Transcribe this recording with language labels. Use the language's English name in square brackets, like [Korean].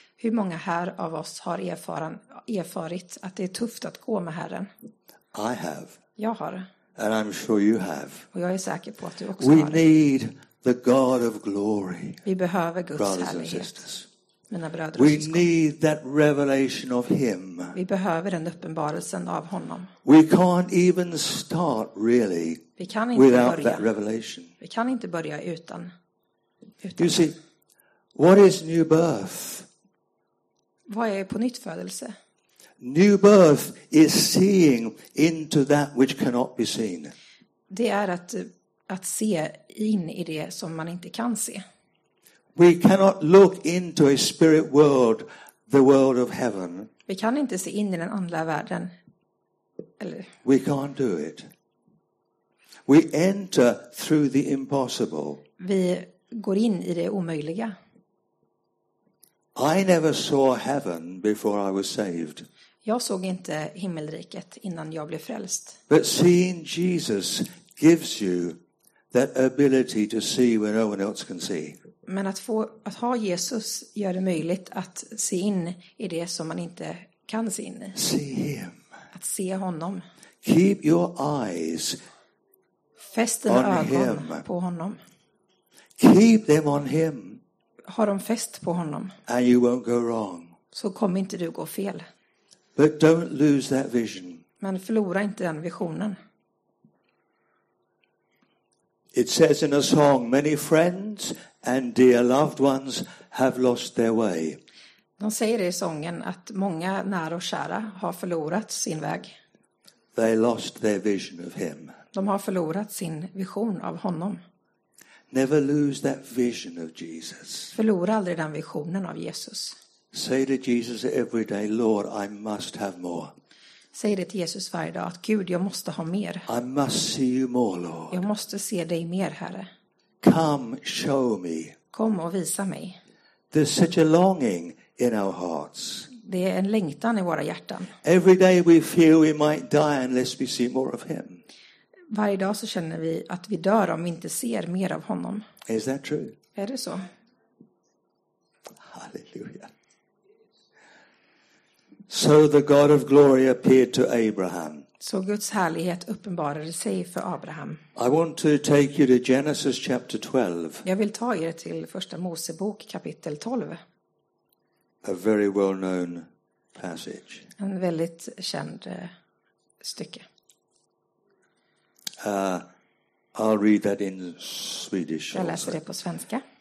[Swedish] Hur många här av oss har erfarit att det är tufft att gå med Herren? [English] I have. [Swedish] Jag har. [English] And I'm sure you have. [Swedish] Och jag är säker på att du också [English] We [Swedish] har. [English] We need the God of glory. [Swedish] Vi behöver Guds härlighet. [English] Brothers and sisters. [Swedish] Mina bröder och [English] We need that revelation of him. [Swedish] Vi behöver den uppenbarelsen av honom. [English] We can't even start really [Swedish] Vi kan inte [English] without [Swedish] börja. [English] That revelation. [Swedish] Vi kan inte börja utan. [English] You see, what is new birth? [Swedish] Vad är på nytt födelse? [English] New birth is seeing into that which cannot be seen. [Swedish] Det är att se in i det som man inte kan se. [English] We cannot look into a spirit world, the world of heaven. [Swedish] Vi kan inte se in i den andliga världen. Eller. [English] We can't do it. We enter through the impossible. [Swedish] Vi går in i det omöjliga. [English] I never saw heaven before I was saved. [Swedish] Jag såg inte himmelriket innan jag blev frälst. [English] But seeing Jesus gives you that ability to see where no one else can see. [Swedish] Men att ha Jesus gör det möjligt att se in i det som man inte kan se in i. [English] See him. [Swedish] att se honom. [English] Keep your eyes [Swedish] fäst dina ögon [English] him. [Swedish] På honom. [English] Keep them on him. [Swedish] Ha dem fäst på honom. [English] And you won't go wrong. [Swedish] Så kommer inte du gå fel. [English] But don't lose that vision. [Swedish] Men förlora inte den visionen. [English] It says in a song, many friends and dear loved ones have lost their way. [Swedish] De säger i sången att många nära och kära har förlorat sin väg. [English] They lost their vision of him. [Swedish] De har förlorat sin vision av honom. [English] Never lose that vision of Jesus. [Swedish] Förlora aldrig den visionen av Jesus. [English] Say to Jesus every day, Lord, I must have more. [Swedish] Säg det till Jesus varje dag att Gud, jag måste ha mer. [English] I must see you more, Lord. [Swedish] Jag måste se dig mer, Herre. [English] Come, show me. [Swedish] Kom och visa mig. [English] There's such a longing in our hearts. [Swedish] Det är en längtan i våra hjärtan. [English] Every day we feel we might die unless we see more of him. [Swedish] Varje dag så känner vi att vi dör om vi inte ser mer av honom. [English] Is that true? [Swedish] Är det så? Halleluja. [English] So the God of glory appeared to Abraham. [Swedish] Så Guds härlighet uppenbarade sig för Abraham. [English] I want to take you to Genesis chapter 12. [Swedish] Jag vill ta er till första Mosebok kapitel 12. [English] A very well known passage. [Swedish] En väldigt känd stycke. [English] I'll read that in Swedish. [Swedish] Jag läser det på svenska.